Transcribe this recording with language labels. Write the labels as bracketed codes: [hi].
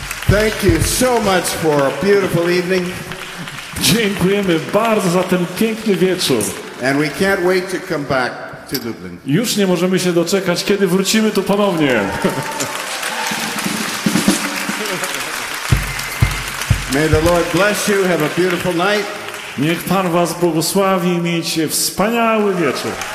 [en] Thank you so much for a beautiful evening. [pl] Dziękujemy bardzo za ten piękny wieczór. [en] And we can't wait to come back to Lublin. [pl] Już nie możemy się doczekać, kiedy wrócimy tu ponownie. [en] May the Lord bless you. Have a beautiful night. [pl] Niech Pan was błogosławi i miejcie wspaniały wieczór.